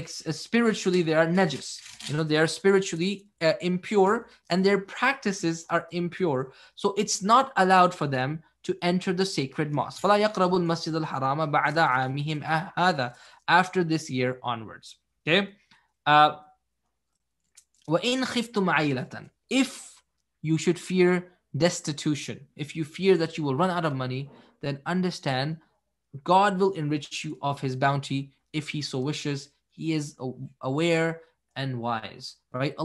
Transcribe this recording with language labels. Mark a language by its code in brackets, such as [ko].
[en] spiritually they are najis, you know, they are spiritually impure and their practices are impure, so it's not allowed for them to enter the sacred mosque. [ar] فَلَا يَقْرَبُوا الْمَسْجِدَ الْحَرَامَ بَعْدَ عَامِهِمْ هَذَا, [en] after this year onwards. Okay. [ar] وَإِنْ خِفْتُمْ عَيْلَةً, [en] if you should fear destitution, if you fear that you will run out of money, then understand God will enrich you of his bounty if he so wishes. He is aware and wise, right?